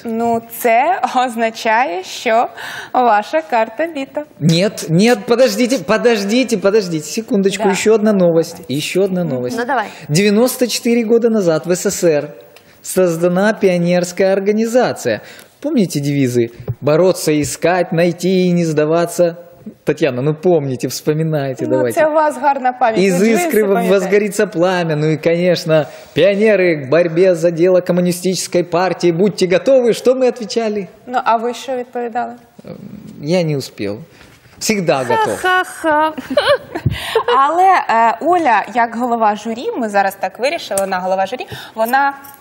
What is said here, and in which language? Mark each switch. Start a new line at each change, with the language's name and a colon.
Ukrainian: Ну, це означає, що ваша карта біта. Ні, подождіть, секундочку, да. ще одна новость. Ну, давай.
Russian: 94 года назад в СССР создана
Ukrainian: піонерська організація.
Russian: Помните девизы? Бороться, искать, найти и не сдаваться. Тетяна, ну помните, вспоминайте, ну, давайте.
Ukrainian: Ну, це у вас гарна пам'ять.
Russian: Із іскри возгорится пламя.
Ukrainian: Ну і, звісно, піонери в боротьбі за діло комуністичної партії. Будьте готові, що ми відповідали? Ну, а ви що відповідали? Я не успів.
Russian: Всегда готов. Ха-ха-ха.
Ukrainian: Але Оля, як голова журі, ми зараз так вирішили, вона голова журі, вона...